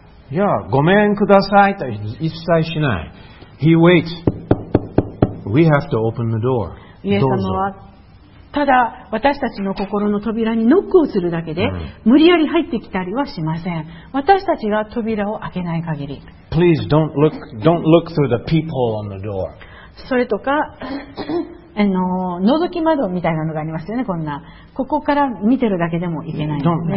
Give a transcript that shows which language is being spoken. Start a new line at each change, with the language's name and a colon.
Japanese: いや、ごめんくださいと一切しない。
English: He waits. We have to open the door.
Japanese: イエス様はただ私たちの心の扉にノックをするだけで、無理やり入ってきたりはしません。私たちが扉を開けない限り。
English: Please don't look through the peephole on the door.
Japanese: それとか覗き窓みたいなのがありますよね。こんなここから見てるだけでもいけないですね。